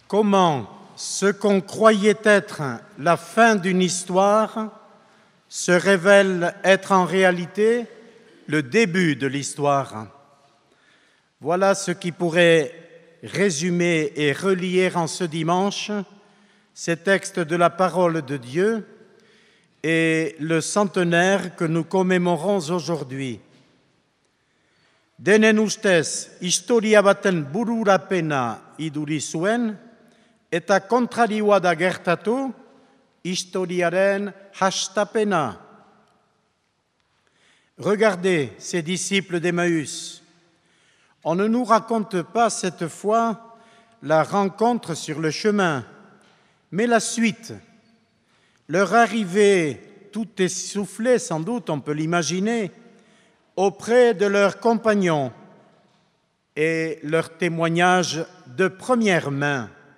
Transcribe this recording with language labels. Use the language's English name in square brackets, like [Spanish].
[French] Comment ce qu'on croyait être la fin d'une histoire se révèle être en réalité le début de l'histoire. Voilà ce qui pourrait résumer et relier en ce dimanche ces textes de la parole de Dieu et le centenaire que nous commémorons aujourd'hui. [Basque] Denen ustez, historia baten bururapena iduri zuen, eta kontrarioa da gertatu, historiaren hastapena. [French] Regardez, ces disciples d'Emmaüs, on ne nous raconte pas cette fois la rencontre sur le chemin, mais la suite. Leur arrivée, tout essoufflée sans doute, on peut l'imaginer, auprès de leurs compagnons et leur témoignage de première main.